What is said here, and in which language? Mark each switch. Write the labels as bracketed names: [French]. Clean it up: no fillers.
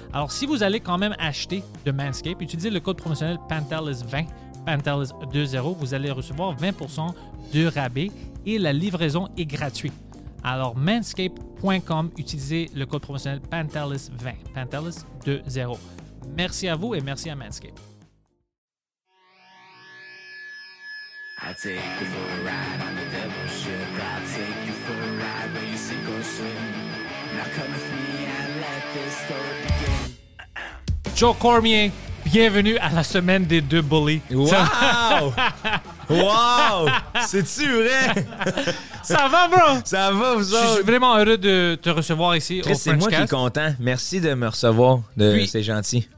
[French] Alors, si vous allez quand même acheter de Manscaped, utilisez le code promotionnel PANTELIS20, PANTELIS20, vous allez recevoir 20% de rabais et la livraison est gratuite. Alors, manscaped.com, utilisez le code promotionnel PANTELIS20, PANTELIS20. Merci à vous et merci à Manscaped. [English] I'll take you for a ride on the devil's ship. I'll take you for a ride where you sink or swim. Now come with me and let this story begin. [French] Joe Cormier, bienvenue à la semaine des deux bullies. Wow! Wow! C'est-tu vrai? Ça va, bro? Ça va, vous autres? Je suis vraiment heureux de te recevoir ici au FrenchCast. C'est moi qui est content. Merci de me recevoir. C'est gentil.